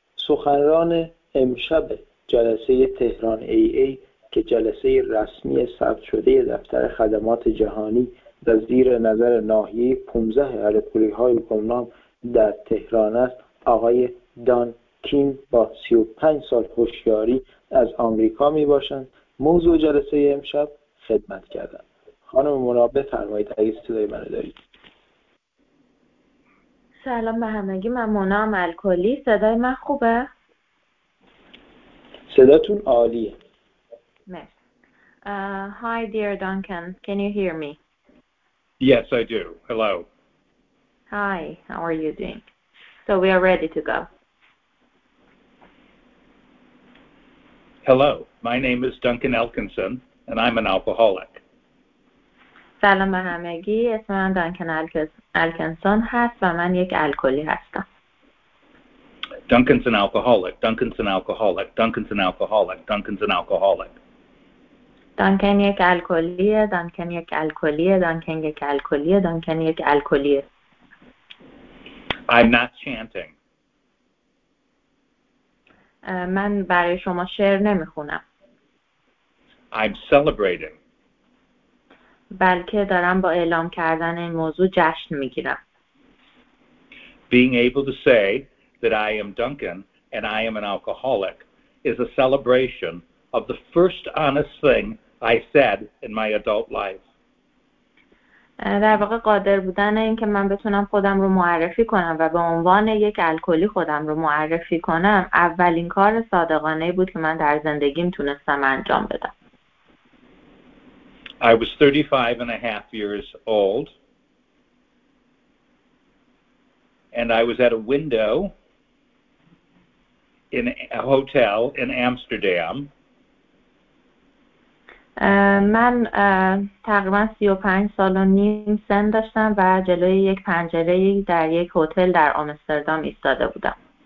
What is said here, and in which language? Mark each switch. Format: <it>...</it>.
<fa>سخنران امشب جلسه تهران AA که جلسه رسمی ثبت شده دفتر خدمات جهانی و زیر نظر ناحیه 15 الکلی های گمنام در تهران است، آقای دان کین با 35 سال هوشیاری از آمریکا می باشند. موضوع جلسه امشب خدمت کردن. خانم مونا بفرمایید اگه صدای منو دارید. سلام به همگی، من مونا ملکلی، صدای من خوبه؟ صداتون عالیه.</fa> <en>Hi dear Duncan, can you hear me? Yes, I do. Hello. Hi, how are you doing? So we are ready to go. Hello, my name is Duncan Elkinson and I'm an alcoholic.</en> <fa>سلام به همگی، اسم من دانکن الکنسون هست و من یک الکلی هستم.</fa> <en>Duncan's an alcoholic. Duncan's an alcoholic. Duncan's an alcoholic. Duncan's an alcoholic.</en> <fa>دانکن یک الکلیه، دانکن یک الکلیه، دانکن یک الکلیه، دانکن یک الکلیه.</fa> <en>I'm not chanting.</en> <fa>من برای شما شعر نمیخونم.</fa> <en>I'm celebrating.</en> <fa>بلکه دارم با اعلام کردن این موضوع جشن میگیرم.</fa> <en>Being able to say that I am Duncan and I am an alcoholic is a celebration of the first honest thing I said in my adult life.</en> <fa>در واقع قادر بودن این که من بتونم خودم رو معرفی کنم و به عنوان یک الکلی خودم رو معرفی کنم اولین کار صادقانه بود که من در زندگیم تونستم انجام بدم.</fa> <en>I was 35 and a half years old and I was at a window in a hotel in Amsterdam.</en> <fa>من تقریبا 35 سال و نیم سن داشتم و جلوی یک پنجره در یک هتل در آمستردام ایستاده بودم.</fa>